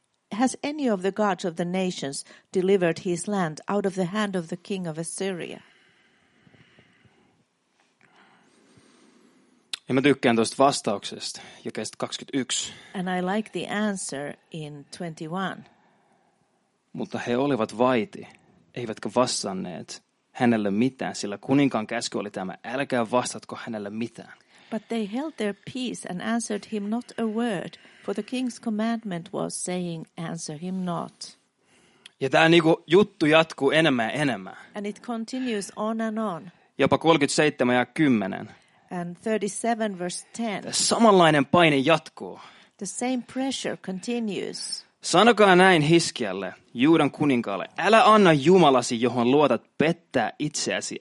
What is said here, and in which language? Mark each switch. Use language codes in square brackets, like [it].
[en] Has any of the gods of the nations delivered his land out of the hand of the king of Assyria? [fi] Ja mä tykkään tuosta vastauksesta, jakeesta 21. [en] And I like the answer in 21. [fi] Mutta he olivat vaiti, eivätkä vastanneet hänelle mitään, sillä kuninkaan käsky oli tämä, älkää vastatko hänelle mitään. [en] But they held their peace and answered him not a word, for the king's commandment was saying, answer him not. [fi] Ja tämä niinku juttu jatkuu enemmän ja enemmän. [en] And it continues on and on. [fi] Jopa 37 ja 10. [en] And 37 verse 10. [fi] Tämä samanlainen paine jatkuu. [en] The same pressure continues. [fi] Sanokaa näin Hiskialle, Juudan kuninkaalle, älä anna Jumalasi, johon luotat, pettää itseäsi.